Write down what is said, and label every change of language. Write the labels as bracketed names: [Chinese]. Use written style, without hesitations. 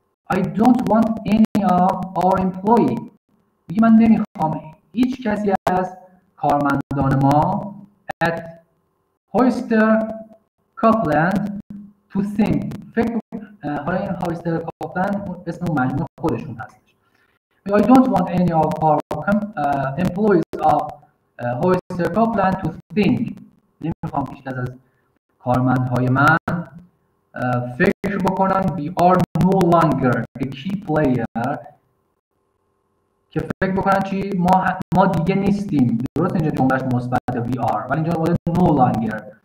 [English] I don't want any of our employee. [Persian] بگی من نمیخوام هیچ کسی از کارمندان ما [English] at Hoister Copeland to think. [Persian] فکر حالا این هایستر کاپلند اسم مجموع خودشون هستش. [English] I don't want any of our employees of Hoister Copeland to think. [Persian] نمیخوام هیچ کس از کارمندهای من فکر بکنن [English] we are no longer a key player. [Persian] که فکر بکنن چی؟ ما دیگه نیستیم. درست اینجا جملهش مثبته [English] we are، [Persian] ولی اینجا بوده [English] no longer.